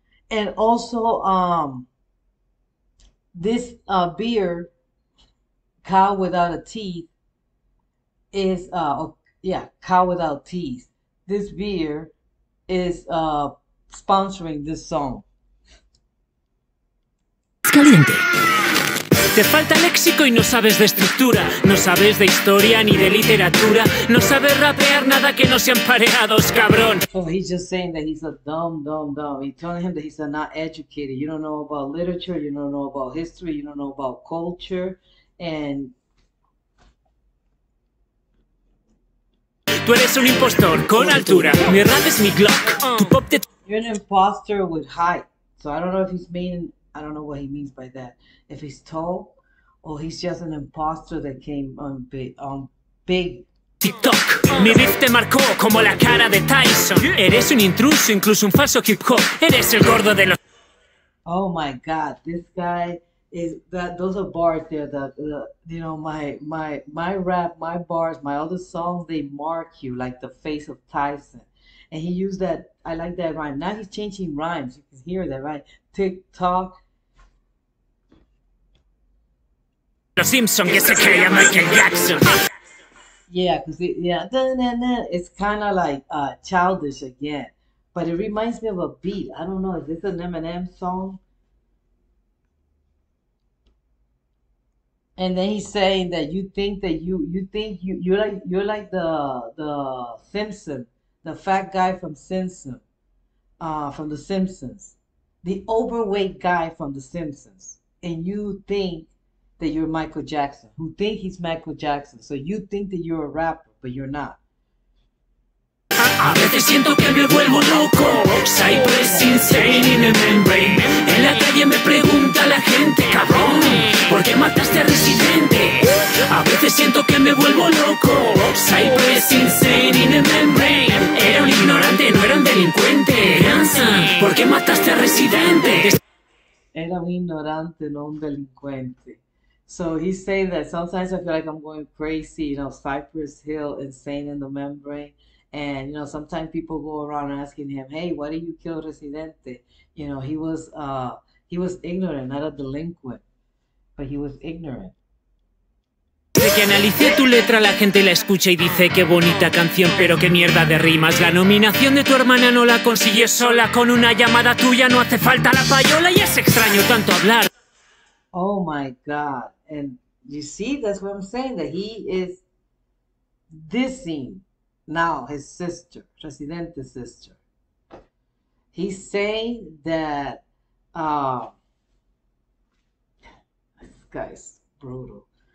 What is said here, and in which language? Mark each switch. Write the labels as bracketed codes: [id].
[en] And also, this beer, cow without a teeth, is, yeah, cow without teeth. This beer is sponsoring this song. [es] Caliente. Te falta léxico y no sabes de estructura, no sabes de historia ni de literatura, no sabes rapear nada que no sean pareados, cabrón. [en] Oh, he's just saying that he's a dumb. He's telling him that he's not educated. You don't know about literature, you don't know about history, you don't know about culture, and [es] Tú eres un impostor con altura. Mi rap es mi Glock. Tu pop de [en] you're an imposter with height. So I don't know if he's meaning, I don't know what he means by that. If he's tall, or he's just an imposter that came on big. [es] TikTok, mi riff te marcó como la cara de Tyson. Eres un intruso, incluso un falso hip hop. Eres el gordo de los. [en] Oh my God, this guy is that those are bars there that you know my rap, my bars, my other songs, they mark you like the face of Tyson. And he used that, I like that rhyme. Now he's changing rhymes. You can hear that, right? TikTok. [es] Los Simpson, que se creía Michael Jackson. [en] Yeah, because it, yeah, it's kind of like childish again. But it reminds me of a beat. I don't know, is this an Eminem song? And then he's saying that you think that you think you're like the Simpson. The fat guy from Simpson, from The Simpsons, the overweight guy from The Simpsons, and you think that you're Michael Jackson, who think he's Michael Jackson. So you think that you're a rapper, but you're not. [es] A veces siento que me vuelvo loco. [en] Cypress insane in a membrane. [es] En la calle me pregunta la gente, cabrón, ¿por qué mataste a Residente? A veces siento que me vuelvo loco. [en] Cypress insane in a membrane. [es] Era un ignorante, no era un delincuente. Gransan, ¿por qué mataste a Residente? Era un ignorante, no un delincuente. [en] So he said that sometimes I feel like I'm going crazy, you know, Cypress Hill, insane in the membrane. And you know, sometimes people go around asking him, "Hey, why did you kill Residente?" You know, he was ignorant, not a delinquent, but he was ignorant. [es] Que analicé tu letra, la gente la escucha y dice qué bonita canción, pero qué mierda de rimas. La nominación de tu hermana no la consiguió sola, con una llamada tuya no hace falta la payola y es extraño tanto hablar. [en] Oh my God. And you see, that's what I'm saying, that he is dissing. Now, his sister, Residente's sister, he's saying that this guy's brutal.